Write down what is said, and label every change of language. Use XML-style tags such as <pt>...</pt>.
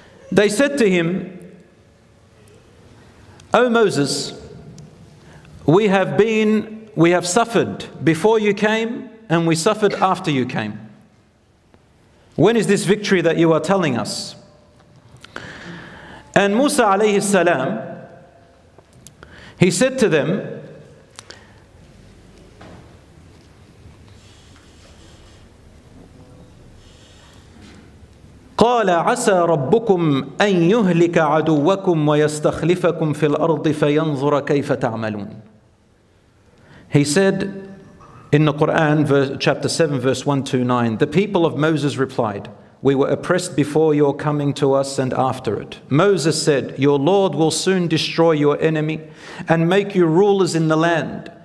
<en>They said to him, O Moses, we have suffered before you came and we suffered after you came. When is this victory that you are telling us? And Musa alayhi salam, he said to them,</en> <ar>قَالَ عَسَى رَبُّكُمْ أَنْ يُهْلِكَ عَدُوَّكُمْ وَيَسْتَخْلِفَكُمْ فِي الْأَرْضِ فَيَنْظُرَ كَيْفَ تَعْمَلُونَ.</ar> <en>He said in the Quran, chapter 7, verse 129, the people of Moses replied, we were oppressed before your coming to us and after it. Moses said, your Lord will soon destroy your enemy and make you rulers in the land.</en>